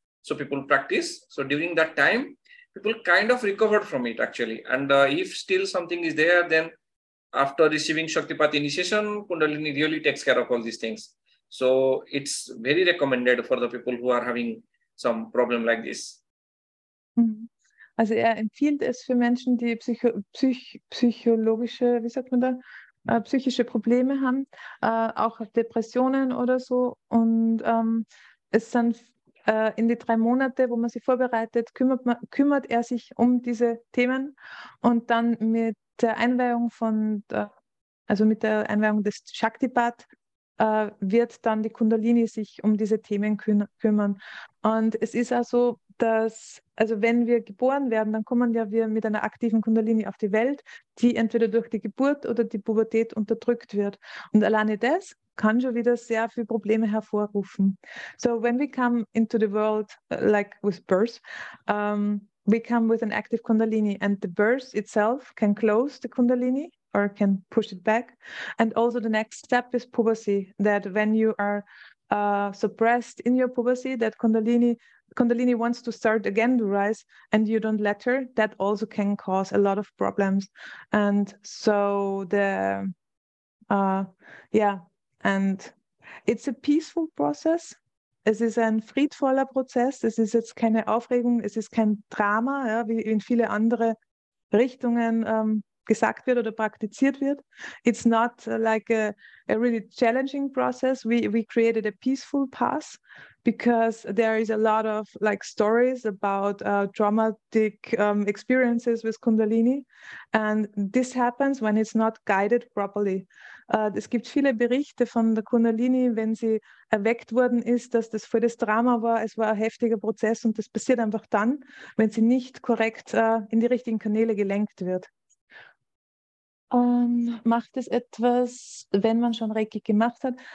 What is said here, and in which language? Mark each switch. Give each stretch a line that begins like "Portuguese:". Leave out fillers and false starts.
English: So people practice. So during that time, people kind of recovered from it actually. And if still something is there, then after receiving Shaktipat initiation, Kundalini really takes care of all these things. So it's very recommended for the people who are having some problem like this.
German: Also er empfiehlt es für Menschen, die psychologische, wie sagt man da, psychische Probleme haben, auch Depressionen oder so. Und es sind in die 3 Monate, wo man sich vorbereitet, kümmert er sich um diese Themen. Und dann mit der Einweihung des Shaktipat wird dann die Kundalini sich um diese Themen kümmern. Und es ist auch so, dass, also wenn wir geboren werden, dann kommen ja wir mit einer aktiven Kundalini auf die Welt, die entweder durch die Geburt oder die Pubertät unterdrückt wird. Und alleine das kann schon wieder sehr viele Probleme hervorrufen.
English: So when we come into the world, like with birth, we come with an active Kundalini and the birth itself can close the Kundalini or can push it back. And also the next step is puberty, that when you are suppressed in your puberty, that Kundalini wants to start again to rise and you don't let her, that also can cause a lot of problems. And so and it's a peaceful process.
German: Es ist ein friedvoller Prozess. Es ist jetzt keine Aufregung, es ist kein Drama, ja, wie in viele andere Richtungen gesagt wird oder praktiziert wird.
English: It's not like a really challenging process. We created a peaceful path because there is a lot of like stories about dramatic experiences with Kundalini. And this happens when it's not guided properly.
German: Es gibt viele Berichte von der Kundalini, wenn sie erweckt worden ist, dass das voll das Drama war. Es war ein heftiger Prozess und das passiert einfach dann, wenn sie nicht korrekt in die richtigen Kanäle gelenkt wird. Macht es etwas, wenn man schon Reiki gemacht hat?